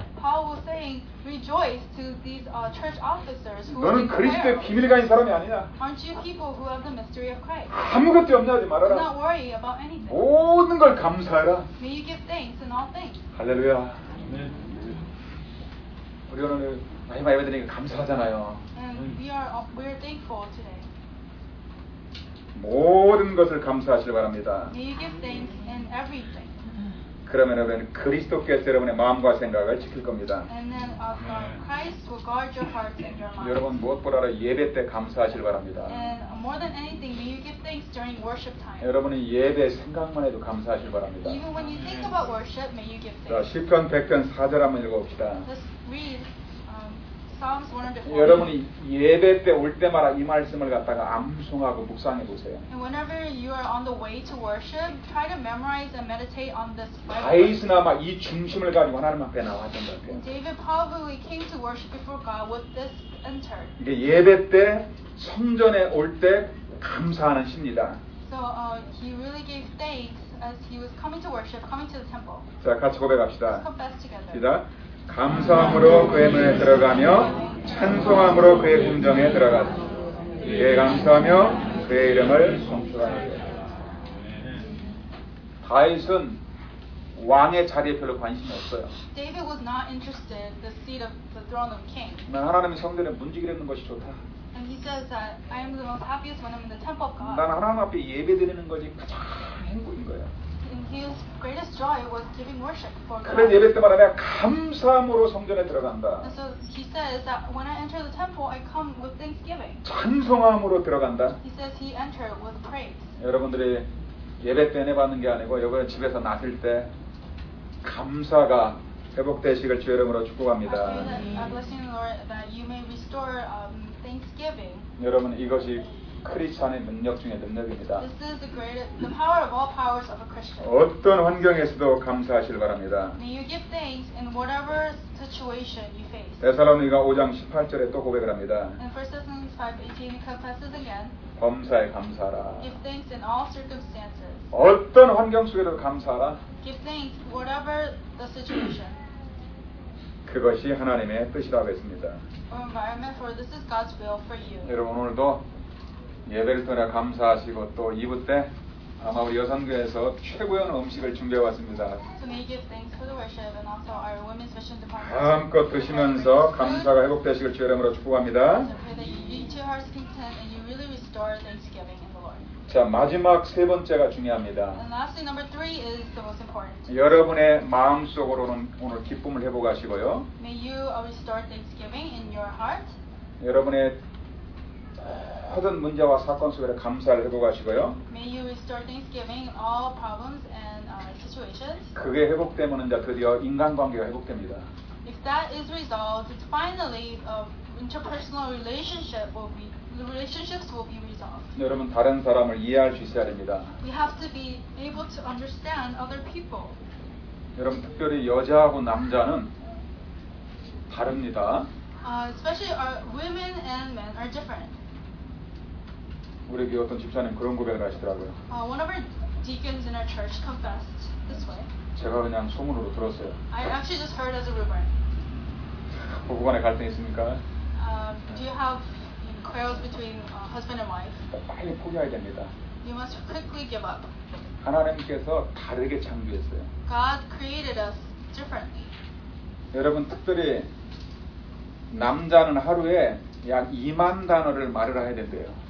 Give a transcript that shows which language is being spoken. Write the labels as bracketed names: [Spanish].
[English] Paul was saying, rejoice to these church officers who are. [Korean] 너는 그리스도의 비밀을 가진 사람이 아니야. [English] Aren't you people who have the mystery of Christ? [Korean] 아무것도 염려하지 말아라. [English] Do not worry about anything. [Korean] 모든 걸 감사해라. [English] May you give thanks in all things. [Korean] 할렐루야. 네. 우리 오늘 많이 많이 받으니까 감사하잖아요. [English] And we are thankful today. [Korean] 모든 것을 감사하시길 바랍니다. [English] May you give thanks in everything. [Korean] 그러면 여러분 그리스도께서 여러분의 마음과 생각을 지킬 겁니다. [English] Then, Christ will guard your hearts and your mind. [Korean] 여러분 무엇보다도 예배 때 감사하시길 바랍니다. [English] And more than anything, may you give thanks during worship time. [Korean] 여러분이 예배 생각만 해도 감사하시길 바랍니다. [English] Even when you think about worship, may you give thanks. [Korean] 자, 시편 100편 4절 한번 읽어봅시다. [English] Psalms 104. [Korean] 여러분이 예배 때 올 때마다 이 말씀을 갖다가 암송하고 묵상해 보세요. [English] And whenever you are on the way to worship, try to memorize and meditate on this Bible. [Korean] 다윗이나 막 이 중심을 가지고 하나님 앞에 나왔던 것 같아요. [English] David probably came to worship before God with this entered. [Korean] 이게 예배 때 성전에 올 때 감사하는 시입니다. [English] So he really gave thanks as he was coming to worship, coming to the temple. [Korean] 자, 같이 고백합시다. [English] Let's confess together. [Korean] 시다. 감사함으로 그의 문에 들어가며 찬송함으로 그의 궁정에 들어가서 예 감사하며 그의 이름을 송축하노라. 다윗은 왕의 자리에 별로 관심이 없어요. [English] David was not interested in the seat of the throne of king. [Korean] 나는 하나님의 성전에 문지기를 했는 것이 좋다. [English] And he says that I am the most happiest when I'm in the temple of God. [Korean] 나는 하나님 앞에 예배드리는 것이 가장 행복인 거야. [English] His greatest joy was giving worship for God. [Korean] 그래서 예배 때마다 내가 감사함으로 성전에 들어간다. [English] And so he says that when I enter the temple, I come with thanksgiving. [Korean] 찬송함으로 들어간다. [English] He says he entered with praise. [Korean] 여러분들이 예배 때 내 받는 게 아니고 여러분 집에서 나실 때 감사가 회복되시길 주 이름으로 축복합니다. [English] I pray that, blessing the Lord, that you may restore thanksgiving. [Korean] 여러분 이것이 크리스천의 능력 중의 능력입니다. [English] This is the greatest, the power of all powers of a Christian. [Korean] 어떤 환경에서도 감사하시길 바랍니다. [English] May you give thanks in whatever situation you face. [Korean] 데살로니가 5장 18절에 또 고백을 합니다. [English] And 1 Thessalonians 5:18 confesses again. [Korean] 범사에 감사하라. [English] Give thanks in all circumstances. [Korean] 어떤 환경 속에도 감사하라. [English] Give thanks whatever the situation. [Korean] 그것이 하나님의 뜻이라고 했습니다. [English] Environment for this is God's will for you. [Korean] 여러분 오늘도 예배를 통해 감사하시고 또 2부 때 아마 우리 여성교회에서 최고의 음식을 준비해 왔습니다. [English] So may you give thanks for the worship and also our women's mission department. [Korean] 마음껏 드시면서 감사가 회복되시길 주 이름으로 축복합니다. [English] So pray that you eat your hearts content and you really restore thanksgiving in the Lord. [Korean] 자, 마지막 세 번째가 중요합니다. [English] And lastly, number three is the most important. [Korean] 여러분의 마음속으로는 오늘 기쁨을 회복하시고요. [English] May you restore thanksgiving in your heart. [Korean] 여러분의 모든 문제와 사건 속에 감사를 회복하시고요. [English] May you restore thanksgiving all problems and situations. [Korean] 그게 회복되면 이제 드디어 인간관계가 회복됩니다. [English] If that is resolved, it's finally interpersonal relationship will be relationships will be resolved. [Korean] 여러분 다른 사람을 이해할 수 있어야 됩니다. [English] We have to be able to understand other people. [Korean] 여러분 특별히 여자하고 남자는 다릅니다. [English] Especially our women and men are different. [Korean] 우리 교회 어떤 집사님 그런 고백을 하시더라고요. [English] One of our deacons in my church confessed this way. [Korean] 제가 그냥 소문으로 들었어요. [English] I actually just heard as a rumor. [Korean] 부부간에 갈등 있습니까? [English] Do you have quarrels between husband and wife? [Korean] 빨리 포기해야 됩니다. [English] You must quickly give up. [Korean] 하나님께서 다르게 창조했어요. [English] God created us differently. [Korean] 여러분 특별히 남자는 하루에 약 2만 단어를 말을 해야 된대요.